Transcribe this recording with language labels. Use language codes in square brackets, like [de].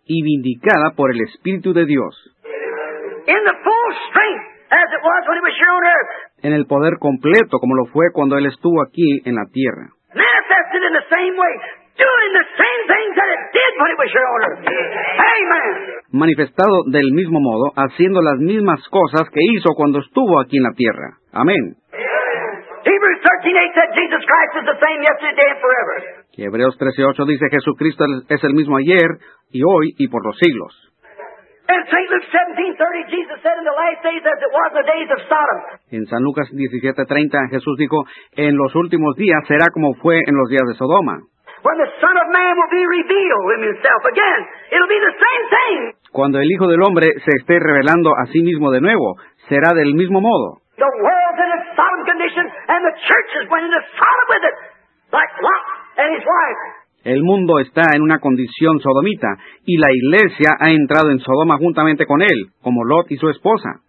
[es] Y vindicada por el Espíritu de Dios. [en] In the full strength, as it was when he was here on earth. [es] En el poder completo, como lo fue cuando él estuvo aquí en la tierra. [en] Manifested in the same way, doing the same things that it did when he was here on earth. Amen. [es] Manifestado del mismo modo, haciendo las mismas cosas que hizo cuando estuvo aquí en la tierra. Amén. [en] Hebrews 13:8 said Jesus Christ is the same yesterday and forever. [es] Hebreos 13:8 dice Jesucristo es el mismo ayer y hoy y por los siglos. [en] In St. Luke 17:30 Jesus said in the last days as it was in the days of Sodom. [es] En San Lucas 17:30 Jesús dijo en los últimos días será como fue en los días de Sodoma. [en] When the Son of Man will be revealed in himself again, it'll be the same thing. [es] Cuando el Hijo del Hombre se esté revelando a sí mismo de nuevo, será del mismo modo. [en] The world's in a solemn condition and the church is going into Sodom with it. Like Lot. And his wife. [es] El mundo está en una condición sodomita, y la iglesia ha entrado en Sodoma juntamente con él, como Lot y su esposa.